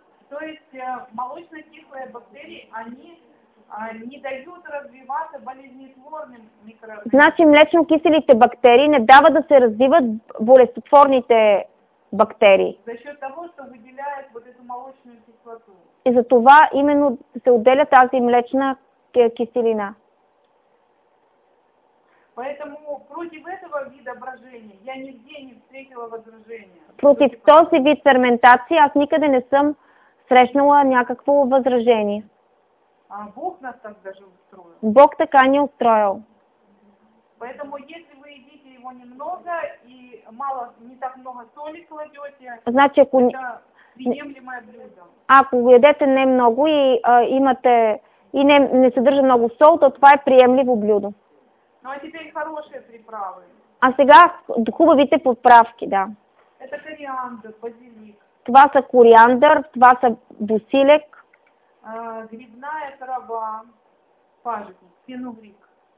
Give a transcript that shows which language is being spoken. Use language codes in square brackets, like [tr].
[ru] Тоест, молочно-кислые бактерии, они не дают развиваться болезнетворным микроорганизмам. [bg] Значи млечно-киселите бактерии не дават да се развиват болезнетворните бактерии. [ru] За счет того, что выделяют вот эту молочную кислоту. [bg] И за това именно се отделя тази млечна киселина. [ru] Поэтому против этого вида брожения я нигде не встретила возражения. [bg] Против този вид ферментации аз никъде не съм срещнала някакво възражение. [ru] Бог нас так даже устроил. [bg] Бог така не устроил. [ru] Поэтому если вы едите его немного и мало, не так много соли кладете, значит, это приемлемое блюдо. [bg] Ако едете не много и имате и не съдържа много сол, то това е приемливо блюдо. [ru] Но теперь хорошие приправы. [bg] А сега хубавите подправки, да. [ru] Это кориандр, базилик. [bg] Това са кориандър, това са бусилек. [ru] Грибная трава, пажитник, фенугрик.